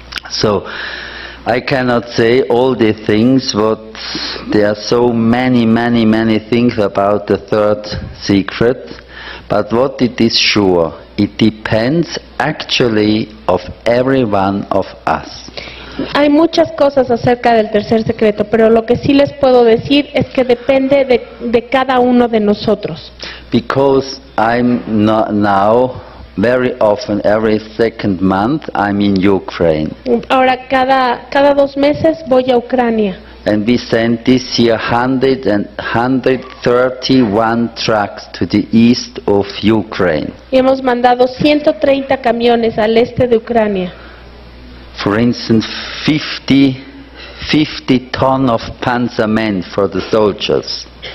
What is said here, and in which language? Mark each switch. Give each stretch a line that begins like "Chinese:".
English: So, I cannot say all the things, but there are so many, many, many things about the third secret. But what it is sure, it depends actually of every one of us.
Spanish: Hay muchas cosas acerca del tercer secreto, pero lo que sí les puedo decir es que depende de cada uno de nosotros.
English: Because I'm not now, very often, every second month, I'm in Ukraine.
Spanish: Ahora cada dos meses voy a Ucrania.
English: And we sent this year 131 trucks to the east of Ukraine.
Spanish: Y hemos mandado 130 camiones al este de Ucrania.
English: For instance, 50 tons of pansement for the soldiers.